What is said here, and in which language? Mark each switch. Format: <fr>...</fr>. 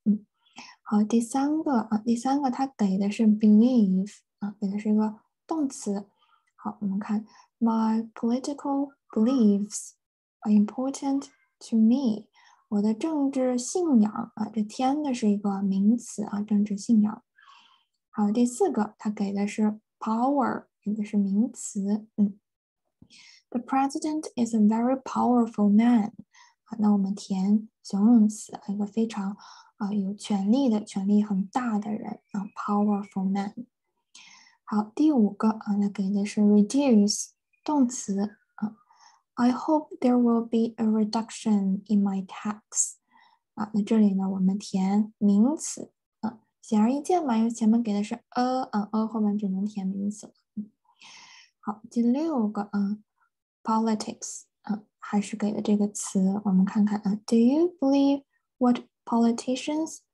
<zh>嗯，好，第三个啊，第三个它给的是 believe 啊，给的是一个动词。好，我们看</zh> <en>my political beliefs are important to me.</en> <zh>我的政治信仰啊，这填的是一个名词啊，政治信仰。好，第四个，它给的是 power， 给的是名词。</zh> <en>嗯 ，The president is a very powerful man。</en> <zh>好，那我们填形容词，一个非常有权力的、权力很大的人啊 ，</zh> <en>powerful man。</en> <zh>好，第五个啊，那给的是 reduce， 动词啊。</zh> <en>I hope there will be a reduction in my tax。</en> <zh>啊，那这里呢，我们填名词。显而易见嘛，因为前面给的是 后面只能填名词了。好，第六个politics 还是给的这个词，我们看看</zh> <en>Do you believe what politicians</en>